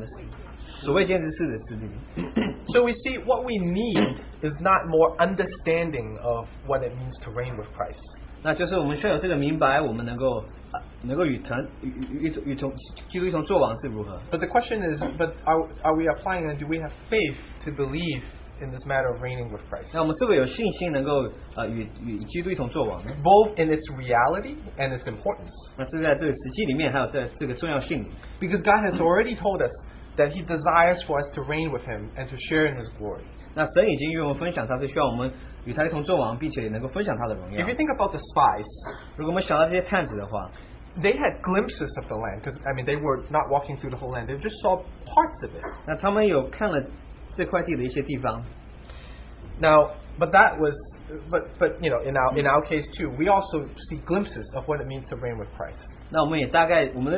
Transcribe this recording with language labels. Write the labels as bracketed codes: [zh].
[zh] 就是你所未见之事，就是什么呢？所未见之事的事情。 [en] So we see what we need is not more understanding of what it means to reign with Christ. [zh] 那就是我们需要有这个明白，我们能够与基督一同作王是如何？ [en] But the question is, but are we applying and do we have faith to believe in this matter of reigning with Christ? [zh] 那我们是否有信心能够与基督一同作王呢？ [en] Both in its reality and its importance. [zh] 那是在这个实际里面，还有在这个重要性里面。 [en] Because God has already told us that He desires for us to reign with Him and to share in His glory. [zh] 那神已经与我们分享，他是需要我们 与他一同作王，并且能够分享他的荣耀。 [en] If you think about the spies, [zh] 如果我们想到这些探子的话, [en] they had glimpses of the land, because I mean they were not walking through the whole land, they just saw parts of it. [zh] 那他们有看了这块地的一些地方。 [en] Now, but you know, in our case too, we also see glimpses of what it means to reign with Christ.